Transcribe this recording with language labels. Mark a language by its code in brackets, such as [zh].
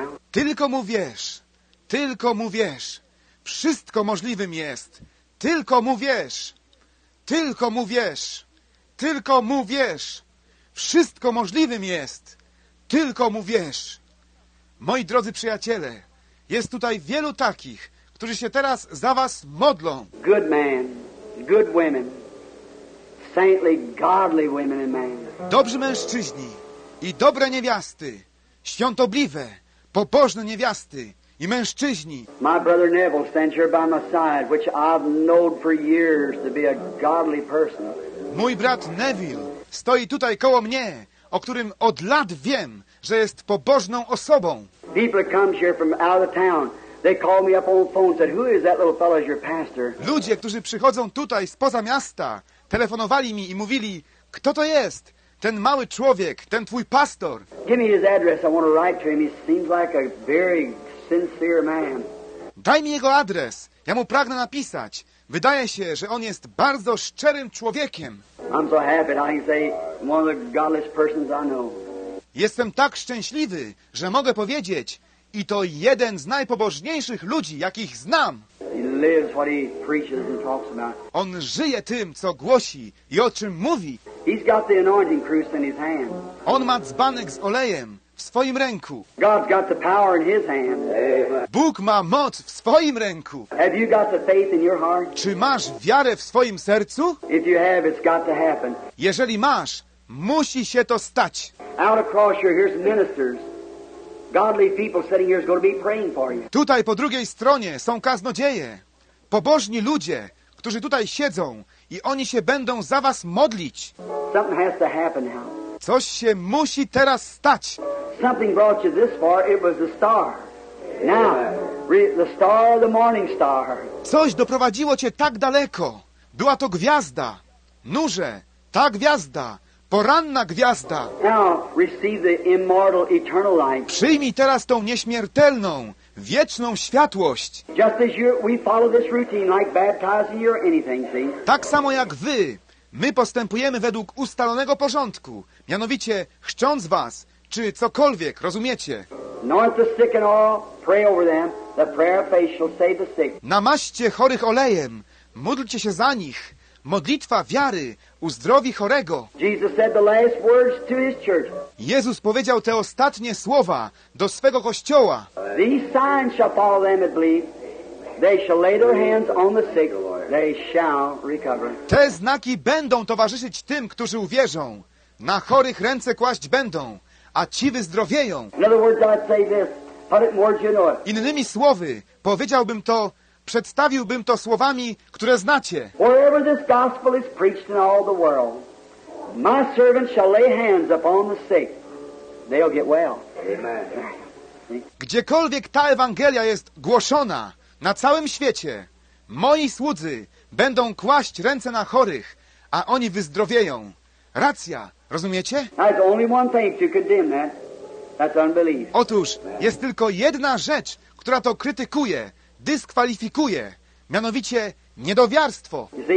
[pl] Tylko mu wierz, wszystko możliwym jest, tylko mu wierz, tylko mu wierz, tylko mu wierz, wszystko możliwym jest, tylko mu wierz. Moi drodzy przyjaciele, jest tutaj wielu takich, którzy się teraz za was modlą. [en] Good men, good women, saintly, godly women and men. [pl] Dobrzy mężczyźni i dobre niewiasty, świątobliwe, pobożne niewiasty i mężczyźni. [en] My brother Neville stands here by my side, which I've known for years to be a godly person. [pl] Mój brat Neville stoi tutaj koło mnie, o którym od lat wiem, że jest pobożną osobą. [en] People come here from out of town. They call me up on the phone and said, "Who is that little fellow as your pastor?" [pl] Ludzie, którzy przychodzą tutaj spoza miasta, telefonowali mi i mówili, kto to jest? Ten mały człowiek, ten twój pastor. [en] Give me his address. I want to write to him. He seems like a very sincere man. [pl] Daj mi jego adres. Ja mu pragnę napisać. Wydaje się, że on jest bardzo szczerym człowiekiem. [en] I'm so happy that I can say one of the godliest persons I know. [pl] Jestem tak szczęśliwy, że mogę powiedzieć, i to jeden z najpobożniejszych ludzi, jakich znam. [en] He lives what he preaches and talks about. [pl] On żyje tym, co głosi i o czym mówi. [en] He's got the anointing cruse in his hand. [pl] On ma dzbanek z olejem w swoim ręku. [en] God's got the power in his hand. [pl] Bóg ma moc w swoim ręku. [en] Have you got the faith in your heart? [pl] Czy masz wiarę w swoim sercu? [en] If you have, it's got to happen. [pl] Jeżeli masz, musi się to stać. [en] Out across here, here's ministers. Godly people sitting here is going to be praying for you. [pl] Tutaj po drugiej stronie są kaznodzieje, pobożni ludzie, którzy tutaj siedzą i oni się będą za was modlić. [en] Something has to happen now. [pl] Coś się musi teraz stać. [en] Something brought you this far. It was the star. Now, the star, the morning star. [pl] Coś doprowadziło cię tak daleko. Była to gwiazda. Nurze, ta gwiazda. Poranna gwiazda. [en] Now receive the immortal eternal light. [pl] Przyjmij teraz tą nieśmiertelną, wieczną światłość. [en] Just as you, we follow this routine like baptizing or anything, see? [pl] Tak samo jak wy, my postępujemy według ustalonego porządku, mianowicie chrząc was, czy cokolwiek, rozumiecie? [en] Anoint the sick and oil, pray over them, the prayer of faith shall save the sick. [pl] Namaście chorych olejem, módlcie się za nich. Modlitwa wiary uzdrowi chorego. [en] Jesus said the last words to his church. [pl] Jezus powiedział te ostatnie słowa do swego kościoła. [en] These signs shall follow them that believe. They shall lay their hands on the sick, Lord. They shall recover. [pl] Te znaki będą towarzyszyć tym, którzy uwierzą. Na chorych ręce kłaść będą, a ci wyzdrowieją. [en] In other words, I'd say this. Put it in words you know. [pl] Innymi słowy, powiedziałbym to. Przedstawiłbym to słowami, które znacie. [en] Wherever this gospel is preached in all the world, my servant shall lay hands upon the sick. They'll get well. Amen. [pl] Gdziekolwiek ta Ewangelia jest głoszona na całym świecie, moi słudzy będą kłaść ręce na chorych, a oni wyzdrowieją. Racja, rozumiecie? [en] There's only one thing to condemn that. That's unbelief. [pl] Otóż jest tylko jedna rzecz, która to krytykuje. Dyskwalifikuje, mianowicie niedowiarstwo.